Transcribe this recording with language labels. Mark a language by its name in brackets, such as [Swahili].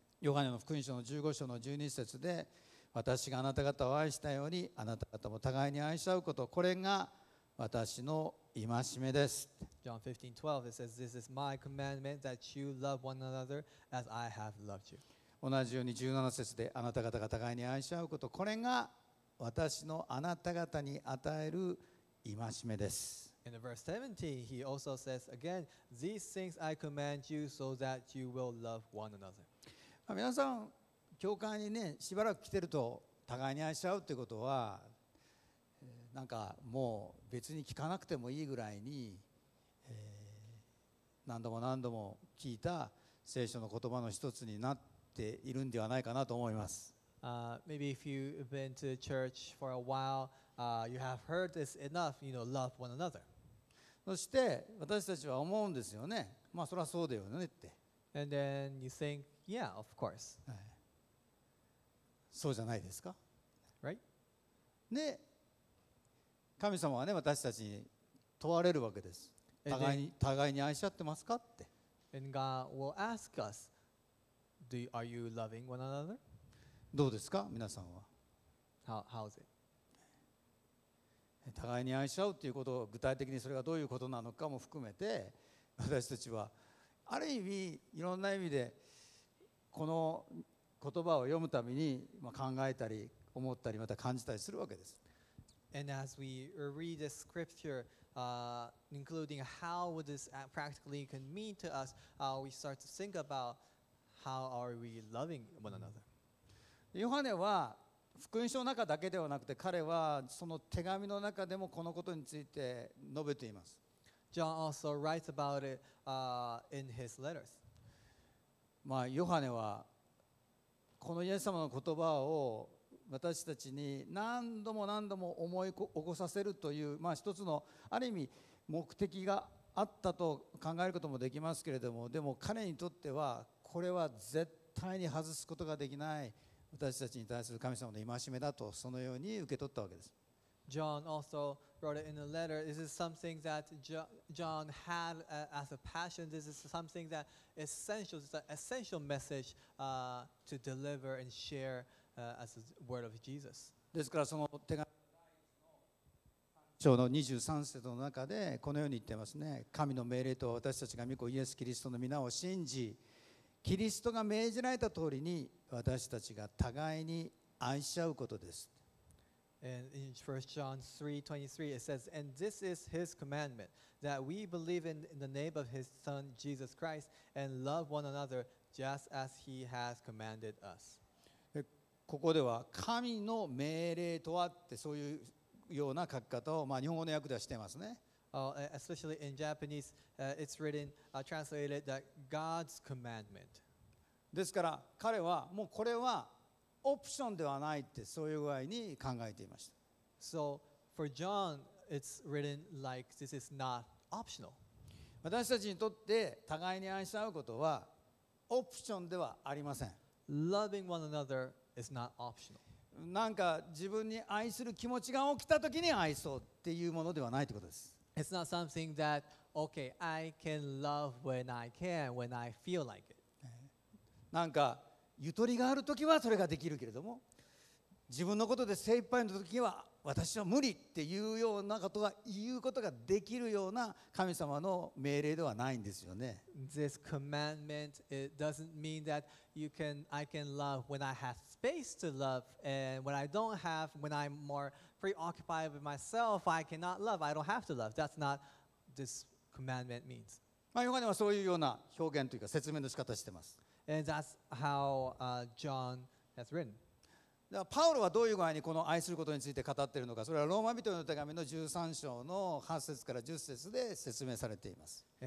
[Japanese] ヨハネの福音書の15章の12節で、私があなた方を愛したようにあなた方も互いに愛し合うこと、これが私の戒めです。 [English] John 15:12 it says, "This is my commandment that you love one another as I have loved you." [Japanese] 同じように17節で、あなた方が互いに愛し合うこと、これが私のあなた方に与える戒めです。 [English] In verse 17, he also says again, "These things I command you, so that you will love one another." [Japanese] 皆さん、教会にね、しばらく来てると、互いに愛し合うっていうことは、なんかもう別に聞かなくてもいいぐらいに、何度も何度も聞いた聖書の言葉の一つになっているんではないかなと思います。 [English] Maybe if you've been to church for a while,you have heard this enough, you know, love one another. [Japanese] そして私たちは思うんですよね。まあそれはそうだよねって。 [English] And then you think, yeah, of course.、 [Japanese] はい、そうじゃないですか。 [English] Right? [Japanese] で、神様はね、私たちに問われるわけです。互いに愛し合ってますかって。 [English] And God will ask us, are you loving one another? [Japanese] どうですか皆さんは。 [English] How is it? [Japanese] 互いに愛し合うということを具体的にそれがどういうことなのかも含めて、私たちはある意味いろんな意味でこの言葉を読むために考えたり思ったりまた感じたりするわけです。 [English] And as we read the scripture, including how would this practically can mean to us, we start to think about how are we loving one another? [Japanese] ヨハネは福音書の中だけではなくて、彼はその手紙の中でもこのことについて述べています。 [English] John also writes about it, in his letters. [Japanese] まあヨハネはこのイエス様の言葉を私たちに何度も何度も思い起こさせるという、まあ、一つのある意味目的があったと考えることもできますけれども、でも彼にとってはこれは絶対に外すことができない。私たちに対する神様の戒めだとそのように受け取ったわけです。 [English] John also wrote it in a letter. This is something that John had as a passion. This is something that essential. It's an essential message to deliver and share as the word of Jesus. [Japanese] ですからその手紙章の23節の中でこのように言ってますね。神の命令とは私たちが御子イエスキリストの皆を信じ、キリストが命じられた通りに私たちが互いに愛し合うことです。 [English] And in 1 John 3:23 it says, and this is his commandment, that we believe in the name of his son Jesus Christ and love one another just as he has commanded us. [Japanese] ここでは神の命令とはってそういうような書き方を、まあ、日本語の訳ではしてますね。 [English] Especially in Japanese, it's written, translated that God's commandment. [Japanese] ですから彼はもうこれはオプションではないってそういう具合に考えていました。 [English] So for John, it's written like this is not optional. [Japanese] 私たちにとって互いに愛し合うことはオプションではありません。 [English] Loving one another is not optional. [Japanese] なんか自分に愛する気持ちが起きたときに愛そうっていうものではないということです。 [English] It's not something that, okay, I can love when I can, when I feel like it. [Japanese] なんかゆとりがあるときはそれができるけれども自分のことで精一杯のときは私は無理っていうようなことが言うことができるような神様の命令ではないんですよね。 [English] This commandment, it doesn't mean that you can, I can love when I have space to love and when I don't have, when I'm more preoccupied with myself, I cannot love, I don't have to love. That's not this commandment means. [Japanese] まあ、ヨハネはそういうような表現というか説明の仕方をしています。 [English] And that's how John has written. [Japanese] パウロはどういう具合にこの愛することについて語っているのか、それはローマ人の手紙の13章の8節から10節で説明されています。